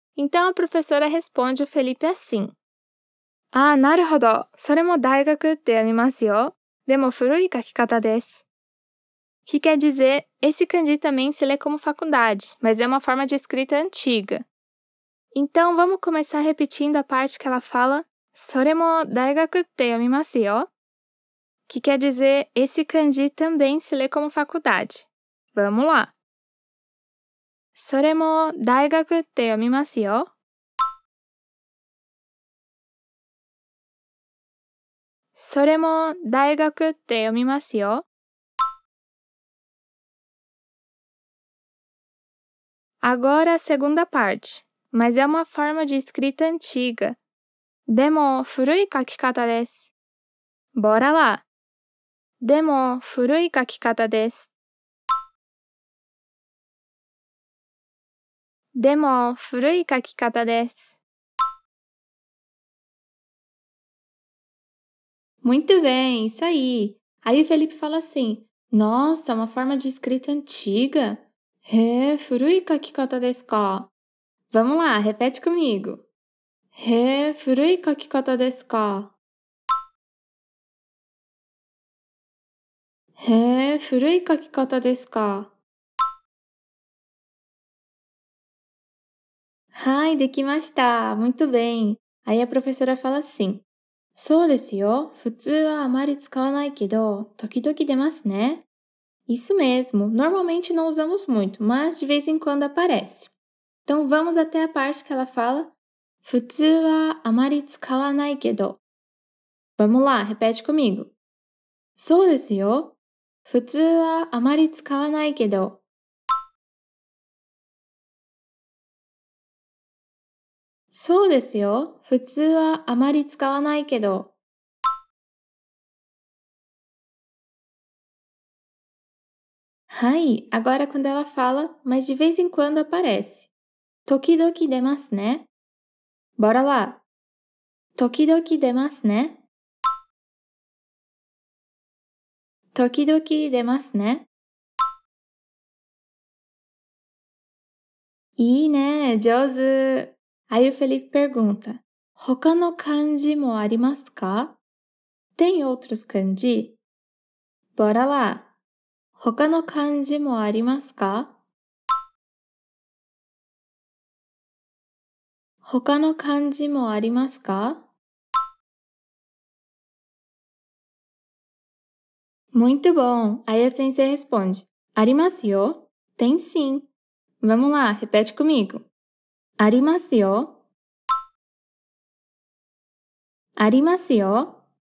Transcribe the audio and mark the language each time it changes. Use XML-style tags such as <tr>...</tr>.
<pt>Então, a professora responde o Felipe assim.</pt> <ja>Ah, なるほど。それも大学って読みますよ。でも、古い書き方です。</ja> <pt>Que quer dizer, esse kanji também se lê como faculdade, mas é uma forma de escrita antiga. Então, vamos começar repetindo a parte que ela fala,</pt> <ja>それも大学って読みますよ。</ja> <pt>Que quer dizer, esse kanji também se lê como faculdade. Vamos lá.</pt> <ja>それも大学って読みますよ。それも大学って読みますよ。</ja> <pt>Agora a segunda parte. Mas é uma forma de escrita antiga.</pt> <ja>でも古い書き方です。</ja> <pt>Bora lá!</pt> <ja>でも古い書き方です。でも古い書き方です。</ja> <pt>Muito bem! Isso aí! Aí o Felipe fala assim, Nossa, uma forma de escrita antiga!</pt> <ja>へえ、古い書き方ですか。</ja> <pt>Vamos lá, repete comigo.</pt> <ja>へえ、古い書き方ですか。へえ、古い書き方ですか。はい、できました。</ja> <pt>Muito bem. Aí a professora fala assim.</pt> <ja>そうですよ。普通はあまり使わないけど、時々出ますね。</ja> <pt>Isso mesmo. Normalmente não usamos muito, mas de vez em quando aparece. Então vamos até a parte que ela fala.</pt> <ja>普通はあまり使わないけど。</ja> <pt>Vamos lá, repete comigo.</pt> <ja>そうですよ。普通はあまり使わないけど。そうですよ。普通はあまり使わないけど。はい、</ja> <pt>agora quando ela fala, mas de vez em quando aparece.</pt> <ja>時々出ますね。</ja> <pt>Bora lá!</pt> <ja>時々出ますね。時々出ますね。いいね、上手。</ja> <pt>Aí o Felipe pergunta,</pt> <ja>他の漢字もありますか?</ja> <pt>Tem outros 漢字? Bora lá!</pt> <ja>他の漢字もありますか? 他の漢字もありますか?</ja> <pt>Muito bom! Aí a先生responde.</pt> <ja>ありますよ。</ja> <pt>Tem sim. Vamos lá, repete comigo.</pt> <ja>Arimasyo. Arimasyo.</ja>